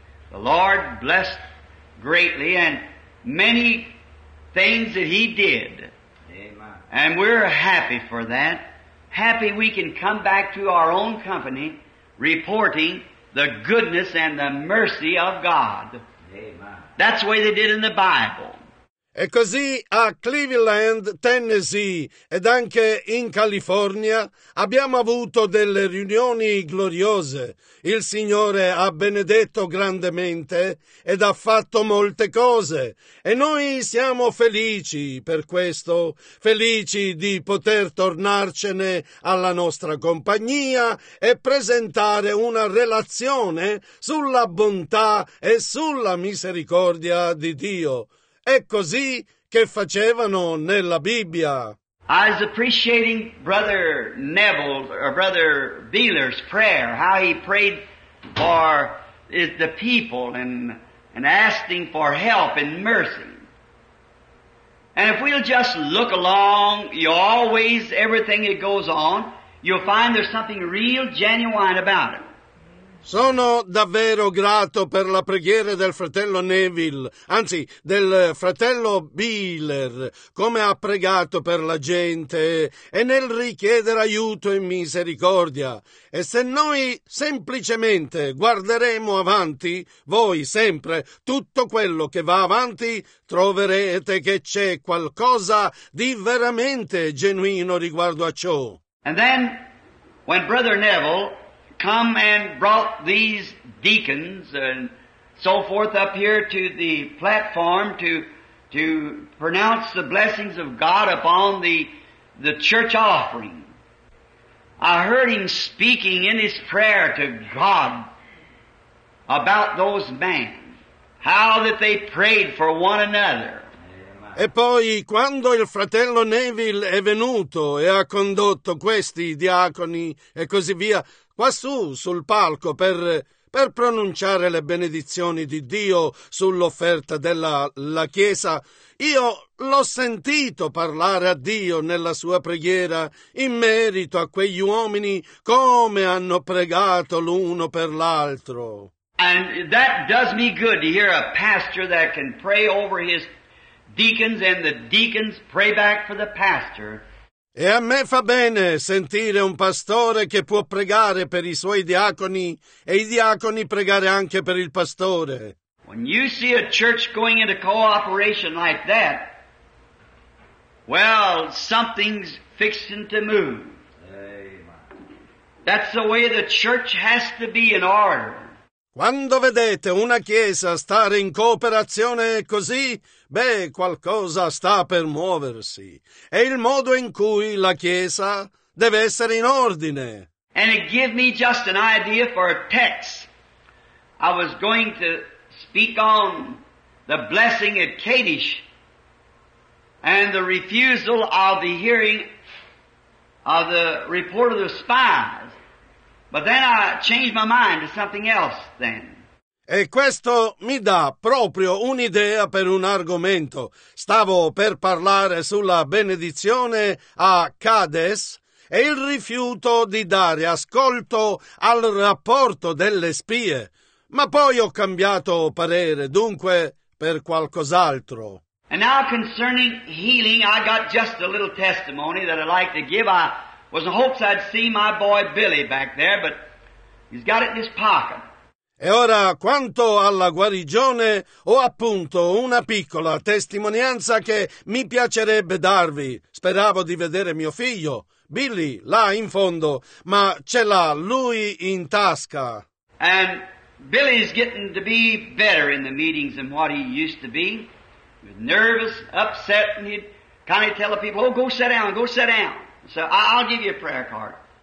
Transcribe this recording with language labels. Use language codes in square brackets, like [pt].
[en] The Lord blessed greatly, and many things that He did. Amen. And we're happy for that. Happy we can come back to our own company reporting the goodness and the mercy of God. Amen. That's the way they did in the Bible. [it] E così a Cleveland, Tennessee, ed anche in California, abbiamo avuto delle riunioni gloriose. Il Signore ha benedetto grandemente ed ha fatto molte cose. E noi siamo felici per questo, felici di poter tornarcene alla nostra compagnia e presentare una relazione sulla bontà e sulla misericordia di Dio. È così che facevano nella Bibbia. [en] I was appreciating Brother Neville, or Brother Beeler's prayer, how he prayed for the people and asking for help and mercy. And if we'll just look along, you always, everything that goes on, you'll find there's something real genuine about it. [it] Sono davvero grato per la preghiera del fratello Neville, anzi del fratello Beeler, come ha pregato per la gente e nel richiedere aiuto e misericordia. E se noi semplicemente guarderemo avanti, voi sempre, tutto quello che va avanti, troverete che c'è qualcosa di veramente genuino riguardo a ciò. [en] And then, when Brother Neville come and brought these deacons and so forth up here to the platform to pronounce the blessings of God upon the church offering. I heard him speaking in his prayer to God about those men, how that they prayed for one another. [it] E poi, quando il fratello Neville è venuto e ha condotto questi diaconi e così via, quassù sul palco per pronunciare le benedizioni di Dio sull'offerta della la Chiesa, io l'ho sentito parlare a Dio nella sua preghiera in merito a quegli uomini come hanno pregato l'uno per l'altro. [en] And that does me good to hear a pastor that can pray over his deacons and the deacons pray back for the pastor. [it] E a me fa bene sentire un pastore che può pregare per i suoi diaconi e i diaconi pregare anche per il pastore. [en] When you see a church going into cooperation like that, well, something's fixing to move. Amen. That's the way the church has to be in order. [it] Quando vedete una chiesa stare in cooperazione così, beh, qualcosa sta per muoversi. È il modo in cui la chiesa deve essere in ordine. [en] And it gave me just an idea for a text. I was going to speak on the blessing at Kadesh and the refusal of the hearing of the report of the spies. But then I changed my mind to something else then. [it] E questo mi dà proprio un'idea per un argomento. Stavo per parlare sulla benedizione a Cades e il rifiuto di dare ascolto al rapporto delle spie. Ma poi ho cambiato parere, dunque, per qualcos'altro. [en] And now concerning healing, I got just a little testimony that I'd like to give. I was in hopes I'd see my boy Billy back there, but he's got it in his pocket. [it] E ora, quanto alla guarigione, ho appunto una piccola testimonianza che mi piacerebbe darvi. Speravo di vedere mio figlio, Billy, là in fondo, ma ce l'ha lui in tasca. [en] And Billy's getting to be better in the meetings than what he used to be. He was nervous, upset, and he'd kind of tell the people, oh, go sit down. So I'll give you a prayer card.